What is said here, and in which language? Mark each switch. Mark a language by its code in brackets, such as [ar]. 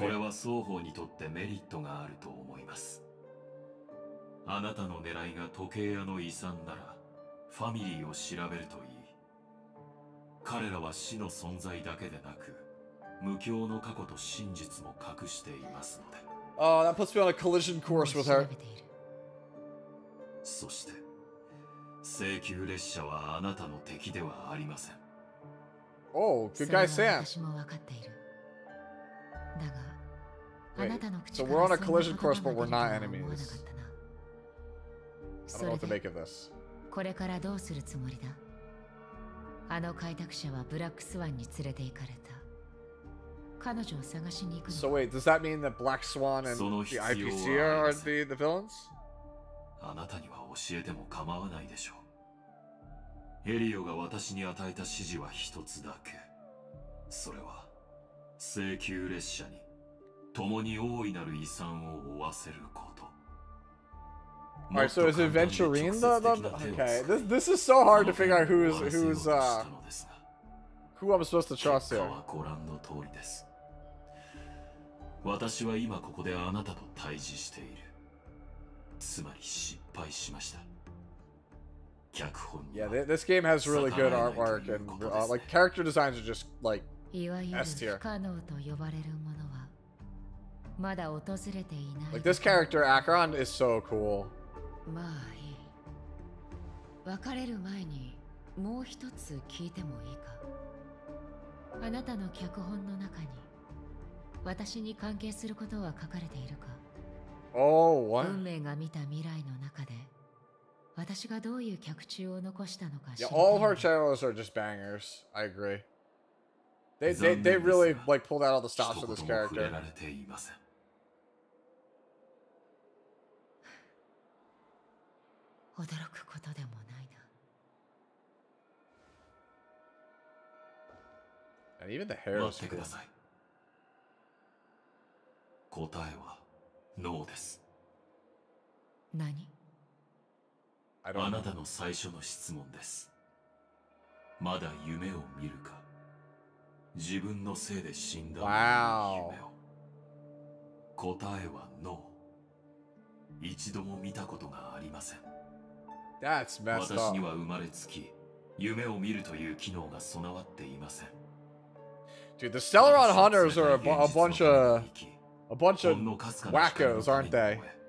[ja] これは双方にとってメリットがあると思います。あなたの狙いが時計屋の遺産なら、ファミリーを調べるといい。彼らは死の存在だけでなく、無教の過去と真実も隠していますので。 [en] Oh, that puts me on a collision course with her. [ja] そして、請求列車はあなたの敵ではありません。 [en] おお、good guy Sam。 [ja] 私も分かっている。だが、あなたの口から。 [en] So we're on a collision course, but we're not enemies. I don't know what to make of this. [ja] これからどうするつもりだ？あの開拓者はブラックスワンに連れて行かれた。彼女を探しに行くの。 [en] So wait, does that mean that Black Swan and the IPC are the villains? [ja] あなたには教えても構わないでしょう。エリオが私に与えた指示は一つだけ。それは、請求列車に共に大いなる遺産を負わせること。はい、そう、Venturine だ [en] Okay, this is so hard to figure out who I'm supposed to trust here. [ja] 結果はご覧の通りです。私は今ここであなたと対峙している。つまり失敗しました。脚本は。 [en] Yeah, this game has really good artwork and like character designs are just like S tier. [ja] いわゆる不可能と呼ばれるものはまだ訪れていない。 [en] Like this character Acheron is so cool. [ja] まあいい。別れる前にもう一つ聞いてもいいか。あなたの脚本の中に私に関係することは書かれているか。 [en] Oh, what? [ja] 運命が見た未来の中で私がどういう脚注を残したのか。 [en] Yeah, all of her channels are just bangers. I agree. They really like pulled out all the stops for this character. [ja] 一言も触れられていません。驚くことでもないな。 [en] And even the hair is good. [ja] 待ってください。答えはノーです。何？あなたの最初の質問です。まだ夢を見るか、自分のせいで死んだ夢を。 [en] Wow. [ja] 答えはノー。一度も見たことがありません。 [en] That's messed up. [ja] 私には生まれつき、夢を見るという機能が備わっていません。 [en] Dude, the Acheron hunters are a bunch of wackos, aren't they?